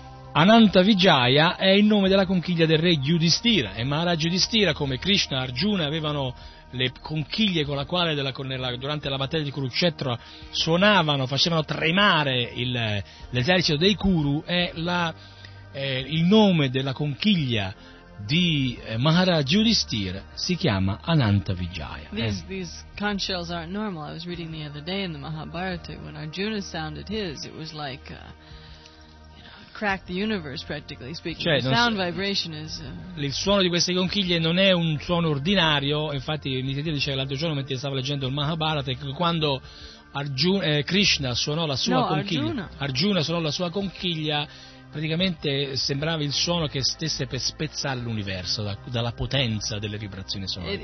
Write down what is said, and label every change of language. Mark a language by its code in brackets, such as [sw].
[it] Ananta Vijaya è il nome della conchiglia del re Yudhisthira, e Maharaj Yudhisthira, come Krishna e Arjuna, avevano le conchiglie con la quale durante la battaglia di Kurukshetra suonavano, facevano tremare l'esercito dei Kuru, il nome della conchiglia di Maharaj Yudhisthira si chiama Ananta Vijaya. [en] These conch shells aren't normal. I was reading the other day in the Mahabharata, when Arjuna sounded his, it was like crack the universe, practically speaking. [it] Cioè, [en] the sound vibration is [it] il suono di queste conchiglie non è un suono ordinario. Infatti Nityananda diceva l'altro giorno, mentre stavo leggendo il Mahabharata, che quando Krishna suonò la sua Arjuna suonò la sua conchiglia, praticamente sembrava il suono che stesse per spezzare l'universo dalla potenza delle vibrazioni sonore.